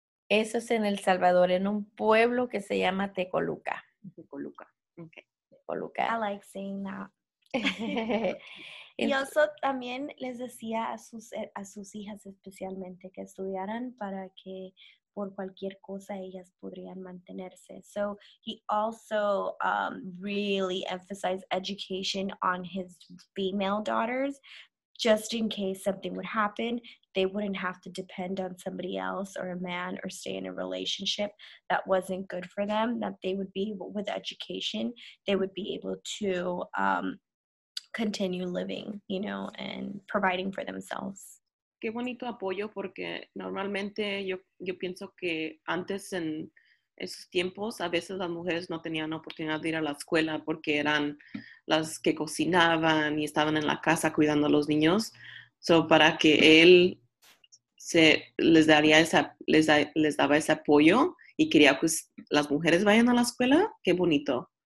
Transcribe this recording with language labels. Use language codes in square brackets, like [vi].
[es] Eso es en El Salvador, en un pueblo que se llama Tecoluca. [en] Tecoluca. Okay. Tecoluca. I like saying that. [es] Y eso también les decía a sus hijas especialmente que estudiaran para que por cualquier cosa ellas podrían mantenerse. [en] So he also really emphasized education on his female daughters. Just in case something would happen, they wouldn't have to depend on somebody else or a man or stay in a relationship that wasn't good for them, that they would be, with education, they would be able to continue living, you know, and providing for themselves. [es] Qué bonito apoyo, porque normalmente yo pienso que antes en esos tiempos a veces las mujeres no tenían oportunidad de ir a la escuela porque eran las que cocinaban y estaban en la casa cuidando a los niños. So para que él se les daría esa les daba ese apoyo y quería que las mujeres vayan a la escuela, qué bonito.